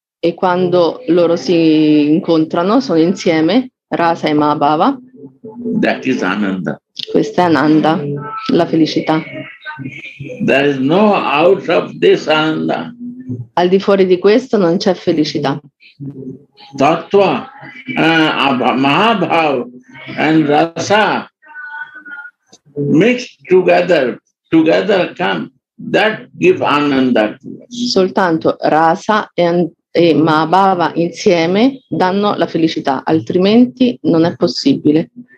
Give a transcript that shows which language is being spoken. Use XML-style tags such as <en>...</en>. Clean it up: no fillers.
<it>e quando loro si incontrano, sono insieme, Rasa e Mahabhava,</it> <en>that is Ananda.</en> <it>Questa è Ananda, la felicità.</it> <en>There is no out of this Ananda.</en> <it>Al di fuori di questo non c'è felicità.</it> <en>Tattva, Mahabhava and Rasa mixed together come, that give Ananda to us.</en> <it>Soltanto rasa e Mahabhava insieme danno la felicità, altrimenti non è possibile.</it>